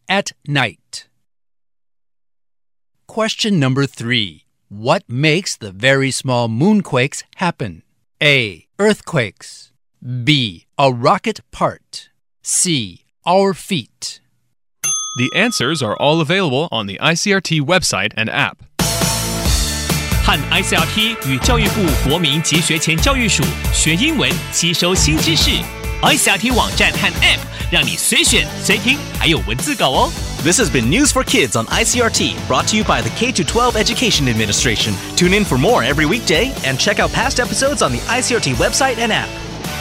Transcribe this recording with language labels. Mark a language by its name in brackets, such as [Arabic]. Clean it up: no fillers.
[English] At night. Question number three. What makes the very small moonquakes happen? A. Earthquakes. B. A rocket part. C. Our feet. The answers are all available on the ICRT website and app. [Chinese] 和 ICRT 与教育部国民及学前教育署学英文，吸收新知识。 ICRT 网站和 App 让你随选随听，还有文字稿哦。 [English] This has been News for Kids on ICRT, brought to you by the K-12 Education Administration. Tune in for more every weekday and check out past episodes on the ICRT website and app.